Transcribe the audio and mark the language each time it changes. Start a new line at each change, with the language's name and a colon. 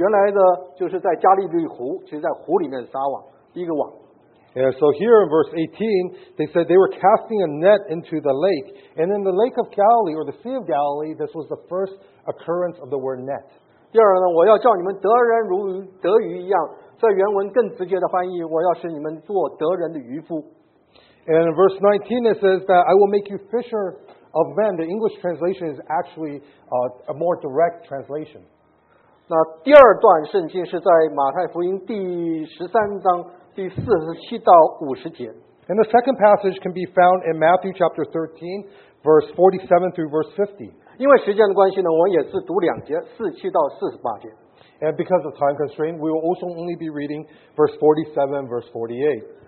Chinese: 耶稣在加利利海边行走，看到兄弟二人，就是那称彼得的西门和他的兄弟安德烈，在海里撒网。他们本来是打鱼的。耶稣对他们说：“来跟从我，我要叫你们得人如得鱼一样。”请大家注意到这边第一个网这边在海里撒网，原来的就是在加利利湖，其实在湖里面撒网。
English: So here in verse 18, they said they were casting a net into the lake. And in the lake of Galilee, or the Sea of Galilee, this was the first occurrence of the word net.
Chinese: 第二呢，我要叫你们得人如得鱼一样。在原文更直接的翻译，我要使你们做得人的渔夫。
English: And in verse 19, it says that I will make you fisher of men. The English translation is actually a more direct translation.
Chinese: 那第二段圣经是在马太福音第13章。
English: And the second passage can be found in Matthew chapter 13, verse 47 through verse 50.
Chinese: 因为时间的关系呢，我也是读两节，47到48节。
English: And because of time constraint, we will also only be reading verse 47, verse 48.